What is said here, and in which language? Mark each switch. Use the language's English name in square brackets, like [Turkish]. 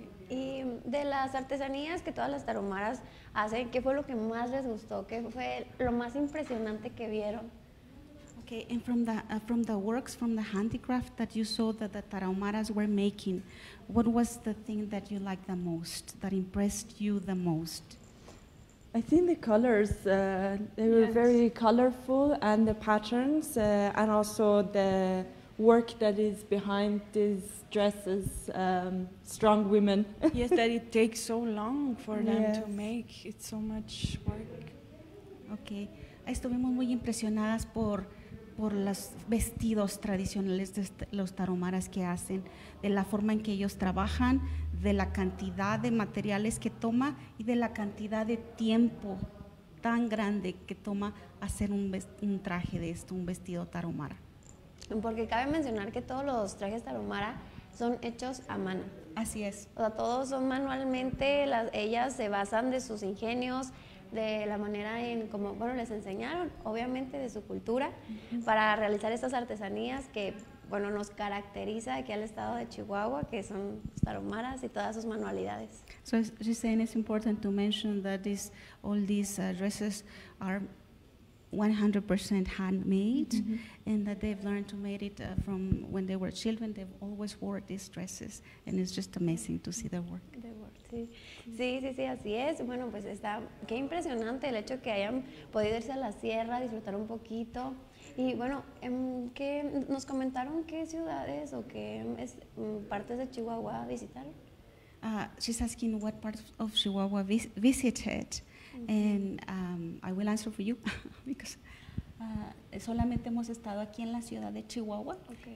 [Spanish] Y de las artesanías que todas las tarumaras hacen, ¿qué fue lo que más les gustó? ¿Qué fue lo más impresionante que vieron? [English] Okay, and from the works, from the handicraft that you saw that the tarumaras were making, what was the thing that you liked the most, that impressed you the most? I think the colors, they were very colorful, and the patterns, and also the work that is behind these dresses, strong women. Yes, that it takes so long for them to make. It's so much work. Okay. [Spanish] Estuvimos muy impresionadas por los vestidos tradicionales de los tarumaras que hacen, de la forma en que ellos trabajan, de la cantidad de materiales que toma y de la cantidad de tiempo tan grande que toma hacer un traje de esto, un vestido tarumara. Porque cabe mencionar que todos los trajes tarumara son hechos a mano. Así es. O sea, todos son manualmente, ellas se basan de sus ingenios, de la manera en como, bueno, les enseñaron, obviamente, de su cultura, para realizar estas artesanías que, bueno, nos caracteriza aquí al estado de Chihuahua, que son tarahumaras y todas sus manualidades. [English] So she's saying it's important to mention that this, all these dresses are 100% handmade, mm-hmm. and that they've learned to make it from when they were children. They've always wore these dresses, and it's just amazing to see their work. [Spanish] Sí, así es. Bueno, pues está, qué impresionante el hecho que hayan podido irse a la sierra, disfrutar un poquito. Y bueno, ¿qué, nos comentaron qué ciudades o qué partes de Chihuahua visitaron? [English] She's asking what parts of Chihuahua visited. And I will answer for you because [Spanish] solamente hemos estado aquí en la ciudad de Chihuahua. [English] Okay.